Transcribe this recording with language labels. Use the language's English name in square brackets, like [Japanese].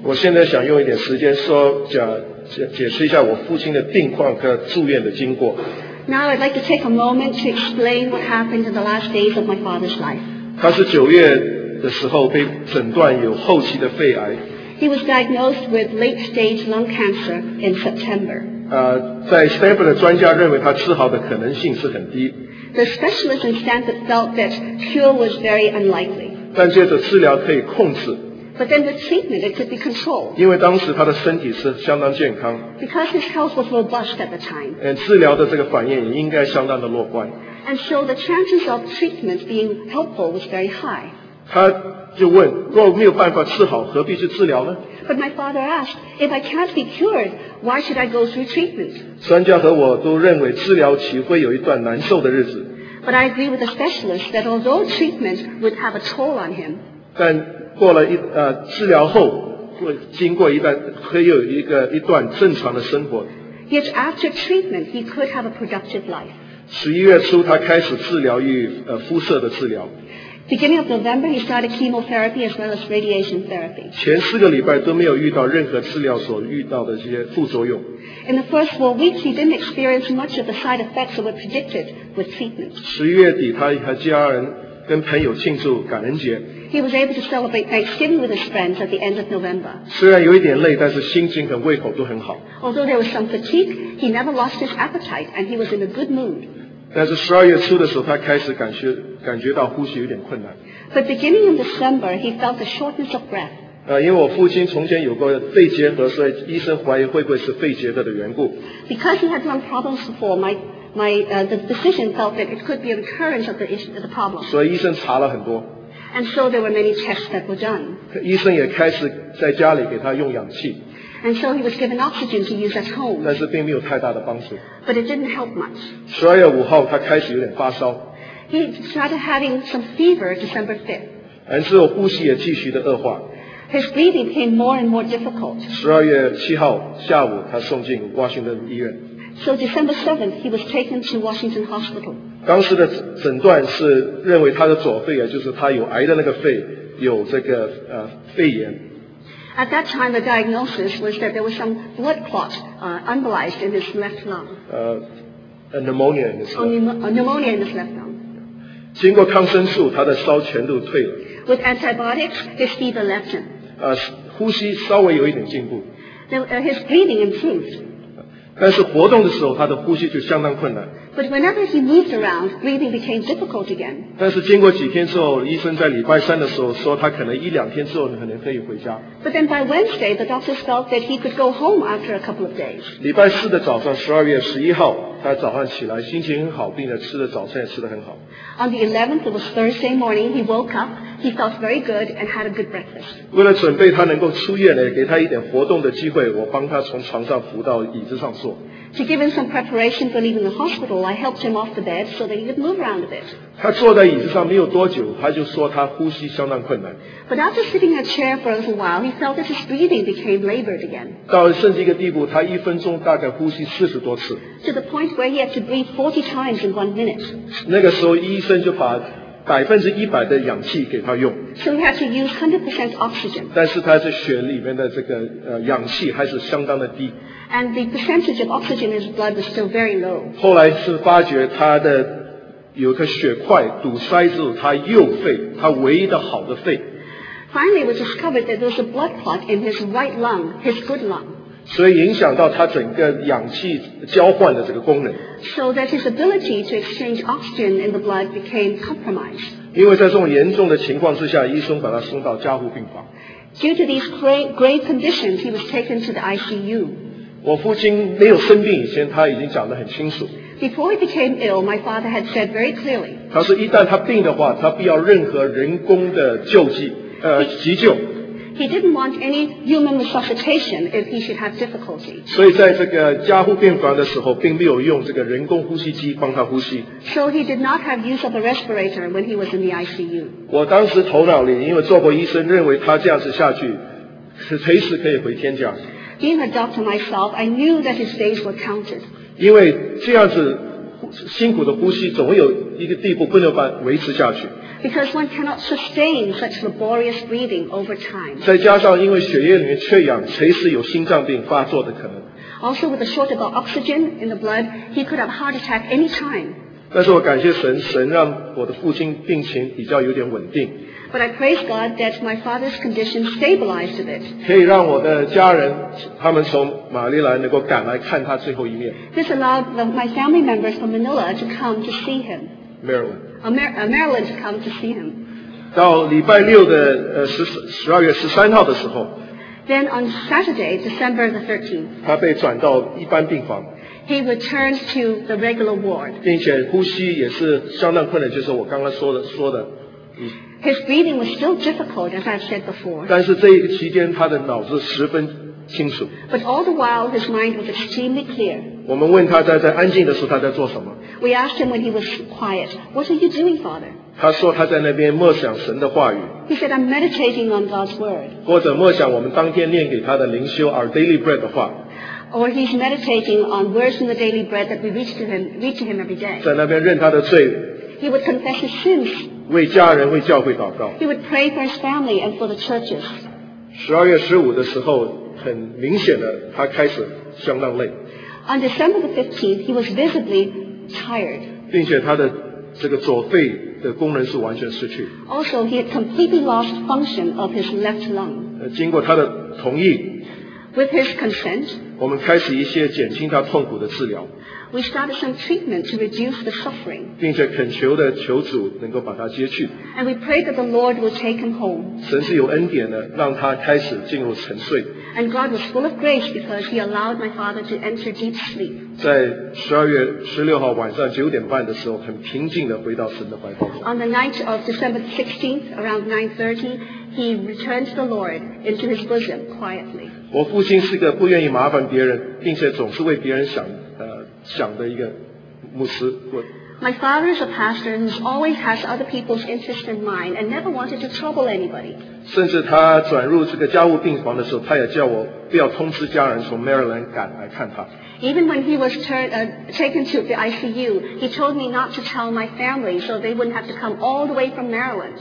[Chinese] 我现在想用一点时间说解释一下我父亲的病况和住院的经过。 [English] Now I'd like to take a moment to explain what happened in the last days of my father's life. [Chinese] 他是九月的时候被诊断有后期的肺癌。 [English] He was diagnosed with late stage lung cancer in September. [Chinese] 在 Stanford 的专家认为他治好的可能性是很低。 [English] The specialist in Stanford felt that cure was very unlikely. [Chinese] 但接着治疗可以控制。 [English] But then the treatment, it could be controlled. [Chinese] 因为当时他的身体是相当健康。 [English] Because his health was robust at the time. [Chinese] 治疗的这个反应也应该相当的乐观。 [English] And so the chances of treatment being helpful was very high. [Chinese] 他就问，若没有办法治好，何必去治疗呢？ [English] But my father asked, if I can't be cured, why should I go through treatment? [Chinese] 专家和我都认为治疗期会有一段难受的日子。 [English] But I agree with the specialist that although treatment would have a toll on him, [Chinese] 但过了治疗后，会经过一段，会有一段正常的生活。 [English] Yet after treatment, he could have a productive life. [Chinese] 11月初，他开始治疗与辐射的治疗。 [English] Beginning of November, he started chemotherapy as well as radiation therapy. [Chinese] 前四个礼拜都没有遇到任何治疗所遇到的这些副作用。 [English] In the first 4 weeks, he didn't experience much of the side effects that were predicted with treatment. [Chinese] 11月底，他和家人跟朋友庆祝感恩节。 [English] He was able to celebrate Thanksgiving with his friends at the end of November. [Chinese] 虽然有一点累，但是心情和胃口都很好。 [English] Although there was some fatigue, he never lost his appetite, and he was in a good mood. [Chinese] 但是12月初的时候他开始感觉到呼吸有点困难。 [English] But beginning in December, he felt a shortness of breath. [Chinese] 因为我父亲从前有过肺结核，所以医生怀疑会不会是肺结核的缘故。 [English] Because he had lung problems before, the physician felt that it could be a recurrence of the problem. [Chinese] 所以医生查了很多。 [English] And so there were many tests that were done. [Chinese] 医生也开始在家里给他用氧气。 [English] And so he was given oxygen to use at home. [Chinese] 但是并没有太大的帮助。 [English] But it didn't help much. [Chinese] 12月5号他开始有点发烧。 [English] He started having some fever December 5th. [Chinese] 然之后呼吸也继续的恶化。 [English] His breathing became more and more difficult. [Chinese] 12月7号下午他送进 Washington 医院。 [English] So December 7th, he was taken to Washington Hospital. [Chinese] 当时的诊断是认为他的左肺，就是他有癌的那个肺，有这个肺炎。 [English] At that time, the diagnosis was that there was some blood clot embolized in his left lung. A pneumonia in his left lung. A pneumonia in his left lung. [Chinese] 经过抗生素，他的烧全都退了。 [English] With antibiotics, his fever left him. [Chinese] 呼吸稍微有一点进步。 [English] His breathing improved. [Chinese] 但是活动的时候，他的呼吸就相当困难。 [English] But whenever he moved around, breathing became difficult again. [Chinese] 但是经过几天之后，医生在礼拜三的时候说他可能一两天之后可能可以回家。 [English] But then by Wednesday, the doctors felt that he could go home after a couple of days. [Chinese] 礼拜四的早上，12月11号，他早上起来心情很好，并且吃的早餐也吃得很好。 [English] On the 11th, it was Thursday morning, he woke up, He felt very good and had a good breakfast. [Chinese] 为了准备他能够出院呢，给他一点活动的机会，我帮他从床上扶到椅子上坐。 [English] To give him some preparation for leaving the hospital, I helped him off the bed so that he could move around a bit. [Chinese] 他坐在椅子上没有多久，他就说他呼吸相当困难。 [English] But after sitting in a chair for a little while, he felt that his breathing became labored again. [Chinese] 到甚至一个地步，他一分钟大概呼吸四十多次。 [English] To the point where he had to breathe 40 times in 1 minute. [Chinese] 那个时候医生就把100%的氧气给他用。 [English] So he had to use 100% oxygen. [Chinese] 但是他的血里面的这个氧气还是相当的低。 [English] And the percentage of oxygen in his blood was still very low. [Chinese] 后来是发觉他的有个血块堵塞住他右肺，他唯一的好的肺。 [English] Finally, it was discovered that there was a blood clot in his right lung, his good lung. [Chinese] 所以影响到他整个氧气交换的这个功能。 [English] So that his ability to exchange oxygen in the blood became compromised. [Chinese] 因为在这种严重的情况之下，医生把他送到加护病房。 [English] Due to these grave conditions, he was taken to the ICU. [Chinese] 我父亲没有生病以前，他已经讲得很清楚。 [English] Before he became ill, my father had said very clearly. [Chinese] 他说一旦他病的话，他不要任何人工的救济，急救。 [English] He didn't want any human resuscitation if he should have difficulty. [Chinese] 所以在这个加护病房的时候，并没有用这个人工呼吸机帮他呼吸。 [English] So he did not have use of a respirator when he was in the ICU. [Chinese] 我当时头脑里，因为做过医生，认为他这样子下去，是随时可以回天家。 [English] Being a doctor myself, I knew that his days were counted. [Chinese] 因为这样子辛苦的呼吸，总有一个地步不能把维持下去。 [English] Because one cannot sustain such laborious breathing over time. [Chinese] 再加上因为血液里面缺氧，随时有心脏病发作的可能。 [English] Also, with a shortage of oxygen in the blood, he could have heart attack any time. [Chinese] 但是我感谢神，神让我的父亲病情比较有点稳定。 [English] But I praise God that my father's condition stabilized a bit. [Chinese] 可以让我的家人，他们从马尼拉能够赶来看他最后一面。 [English] This allowed my family members from Manila to come to see him. Maryland. Maryland to come to see him. [Chinese] 到礼拜六的12月13号的时候。 [English] Then on Saturday, December the 13th. [Chinese] 他被转到一般病房。 [English] He returned to the regular ward. [Chinese] 并且呼吸也是相当困难，就是我刚刚说的。 [English] His breathing was still difficult, as I've said before. [Chinese] 但是这一个期间，他的脑子十分清楚。 [English] But all the while, his mind was extremely clear. [Chinese] 我们问他在安静的时候他在做什么。 [English] We asked him when he was quiet, "What are you doing, Father?" [Chinese] 他说他在那边默想神的话语。 [English] He said, "I'm meditating on God's word." [Chinese] 或者默想我们当天念给他的灵修 Our Daily Bread 的话。 [English] Or he's meditating on words from the daily bread that we read to him every day. [Chinese] 在那边认他的罪。 [English] He would confess his sins. [Chinese] 为家人为教会祷告。 [English] He would pray for his family and for the churches. [Chinese] 12月15的时候很明显的他开始相当累。 [English] On December the 15th, he was visibly tired. [Chinese] 并且他的这个左肺的功能是完全失去。 [English] Also, he had completely lost function of his left lung. [Chinese] 经过他的同意。 [English] With his consent, [Chinese] 我们开始一些减轻他痛苦的治疗。 [English] We started some treatment to reduce the suffering. [Chinese] 并且恳求的求主能够把他接去。 [English] And we prayed that the Lord would take him home. [Chinese] 神是有恩典的，让他开始进入沉睡。 [English] And God was full of grace because he allowed my father to enter deep sleep. [Chinese] 在12月16号晚上9:30的时候，很平静地回到神的怀抱中。 [English] On the night of December 16th, around 9:30, he returned to the Lord into his bosom quietly. [Chinese] 我父亲是个不愿意麻烦别人，并且总是为别人想的一个牧师。 [English] My father is a pastor who always has other people's interests in mind and never wanted to trouble anybody. [Chinese] 甚至他转入这个加护病房的时候，他也叫我不要通知家人从 Maryland 赶来看他。 [English] Even when he was taken to the ICU, he told me not to tell my family so they wouldn't have to come all the way from Maryland.